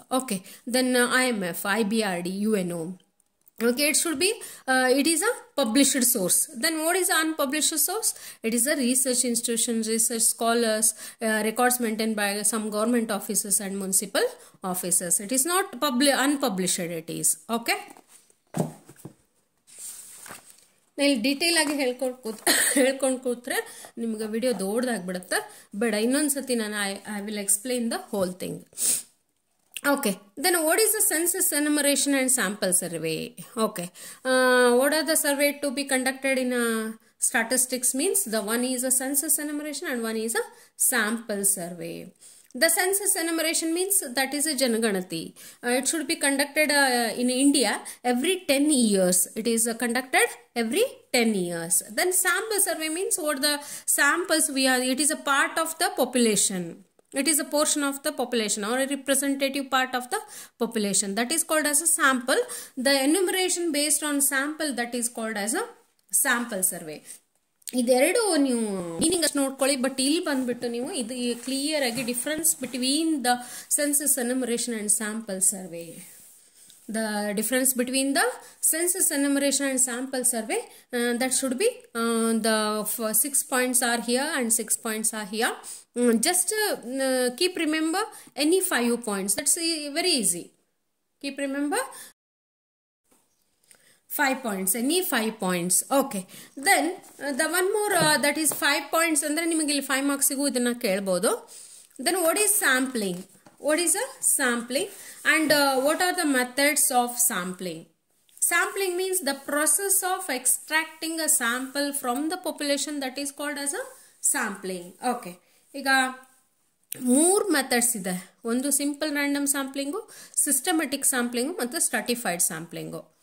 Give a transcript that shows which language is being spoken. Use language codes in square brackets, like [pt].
[en] Okay, then IMF, IBRD, UNO. Okay, it should be, it is a published source. Then what is unpublished source? It is a research institution, research scholars, records maintained by some government offices and municipal offices. It is not unpublished it is. Okay. [kn] ನೀವು ಡೀಟೇಲಾಗಿ ಹೇಳ್ಕೊಂಡು ಕೂತ್ರೆ ನಿಮ್ಗೆ video ದೊಡ್ಡದಾಗ್ಬಿಡುತ್ತೆ. ಬೇಡ, ಇನ್ನೊಂದ್ಸತಿ ನಾನು [en] I will explain the whole thing. Okay, then what is the census enumeration and sample survey. Okay, what are the survey to be conducted in statistics means the one is a census enumeration and one is a sample survey. The census enumeration means that is a janaganati. It should be conducted in India every 10 years. It is conducted every 10 years. Then sample survey means what the samples we are, it is a part of the population. It is a portion of the population or a representative part of the population. That is called as a sample. The enumeration based on sample, that is called as a sample survey. [kn] ಇದೆರಡು ನೀವು meaning ಅಷ್ಟು ನೋಡ್ಕೊಳ್ಳಿ. [en] but [kn] ಇಲ್ಲಿ ಬಂದ್ಬಿಟ್ಟು ನೀವು ಇದು clear ಆಗಿ [en] Difference between the census enumeration and sample survey, the difference between the census enumeration and sample survey, that should be the 6 points are here and 6 points are here. Just keep remember any 5 points. That's very easy. Keep remember 5 points, any 5 points. Okay, then the one more that is 5 points [kn] andre nimge ill 5 marks igu idanna kelbodu. [en] Then what is sampling? What is a sampling and what are the methods of sampling? Sampling means the process of extracting a sample from the population, that is called as a sampling. [kn] Okay, iga ಮೂರ್ methods ಇದೆ. ಒಂದು simple random sampling, systematic sampling ಮತ್ತು ಸ್ಟ್ರಟಿಫೈಡ್ sampling.